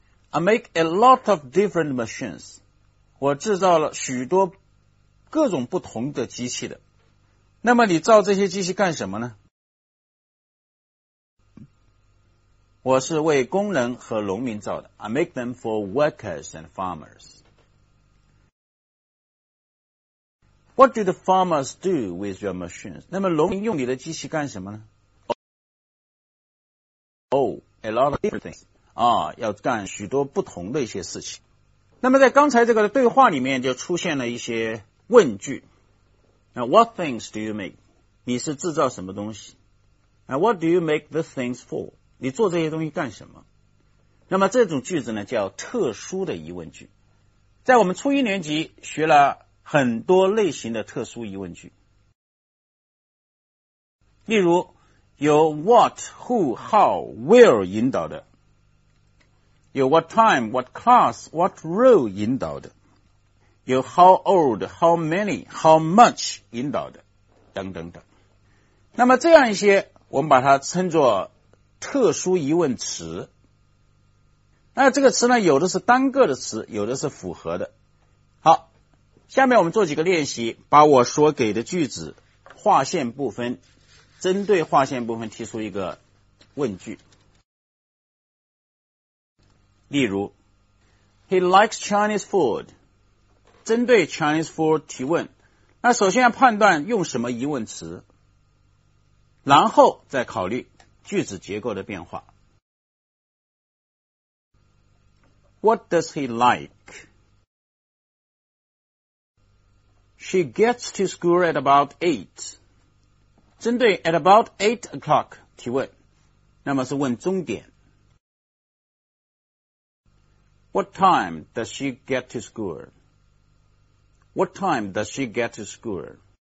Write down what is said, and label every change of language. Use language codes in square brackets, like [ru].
[en] I make a lot of different machines. [zh] 我制造了许多各种不同的机器的。那么你造这些机器干什么呢？我是为工人和农民造的。 [en] I make them for workers and farmers. What do the farmers do with your machines? [zh] 那么农民用你的机器干什么呢？ [en] Oh, a lot of different things. [zh] 啊，要干许多不同的一些事情。那么在刚才这个对话里面就出现了一些问句。 [en] Now, what things do you make? [zh] 你是制造什么东西？ [en] Now, what do you make these things for? [zh] 你做这些东西干什么？那么这种句子呢叫特殊的疑问句。在我们初一年级学了很多类型的特殊疑问句，例如有 what, who, how, where 引导的，有 what time, what class, what role 引导的，有 how old, how many, how much 引导的等等等。那么这样一些我们把它称作特殊疑问词。那这个词呢，有的是单个的词，有的是复合的。好，下面我们做几个练习，把我所给的句子划线部分，针对划线部分提出一个问句。例如 [en] He likes Chinese food。 [zh] 针对 Chinese food 提问，那首先要判断用什么疑问词，然后再考虑句子结构的变化。 [en] What does he like? She gets to school at about 8. [zh] 针对 [en] at about 8 o'clock [zh] 提问，那么是问终点。 [en] What time does she get to school? What time does she get to school?